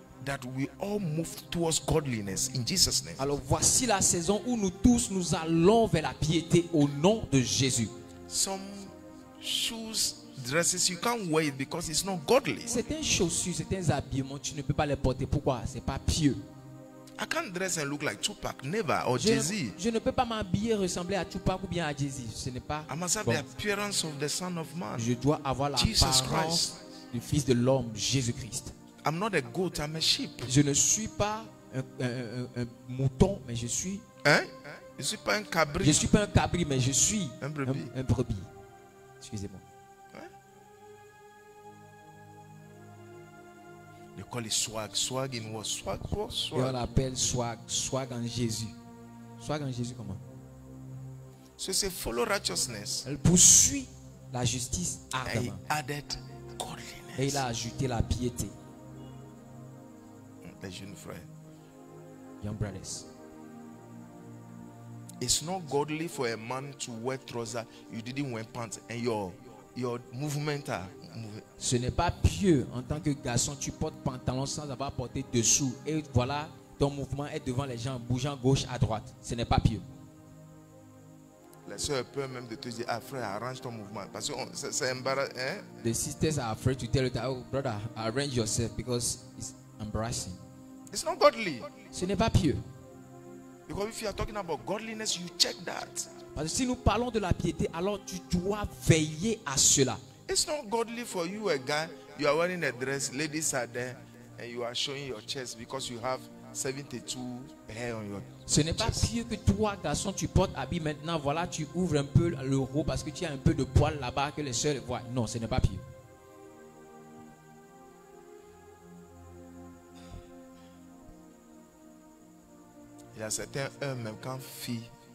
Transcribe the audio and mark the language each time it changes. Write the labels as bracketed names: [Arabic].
[English] that we all move towards godliness in Jesus' name. [French] Alors voici la saison où nous tous nous allons vers la piété au nom de Jésus. [English] Some shoes, dresses, you can't wear it because it's not godly. [French] Certaines chaussures, certains habillements, tu ne peux pas les porter. Pourquoi? C'est pas pieux. [English] I can't dress and look like Tupac, never, or Jay-Z. [French] Je ne peux pas m'habiller ressembler à Tupac ou bien à Jay-Z. Ce n'est pas. [English] I must have the appearance of the Son of Man. [French] Je dois avoir l'apparence du Fils de l'homme, Jésus Christ. [English] I'm not a goat, I'm a sheep. [French] Je ne suis pas un mouton, mais je suis. Hein? Je suis pas un cabri. Je suis pas un cabri, mais je suis un brebis. Un brebis. Excusez-moi. [English] They call it swag. Swag in what? Swag, what? Swag. [French] Et on l'appelle swag. Swag en Jésus. Swag en Jésus comment? [English] So [French] c'est [English] follow righteousness. [French] Elle poursuit la justice ardemment. [English] And he added godliness. [French] Et il a ajouté la piété. Les jeunes frères. [English] Young brothers. It's not godly for a man to wear trousers. You didn't wear pants and your movement are. [French] Ce n'est pas pieux en tant que garçon, tu portes pantalon sans avoir porté dessous et voilà ton mouvement est devant les gens bougeant gauche à droite. Ce n'est pas pieux. La sœur peut même de te dire, ah frère, arrange ton mouvement parce que c'est embarrassant. Hein? [English] The sisters are afraid to tell you, oh brother, arrange yourself because it's embarrassing. It's not godly. [French] Ce n'est pas pieux. [English] Because if you are talking about godliness, you check that. [French] Parce que si nous parlons de la piété, alors tu dois veiller à cela. [English] It's not godly for you, a guy. You are wearing a dress, ladies are there, and you are showing your chest because you have 72 hair on your chest. [French] Ce n'est pas pieux que toi, garçon, tu portes habit maintenant. Voilà, tu ouvres un peu le haut parce que tu as un peu de poil là-bas que les sœurs voient. Non, ce n'est pas pieux. Il y a certains hommes même quand filles.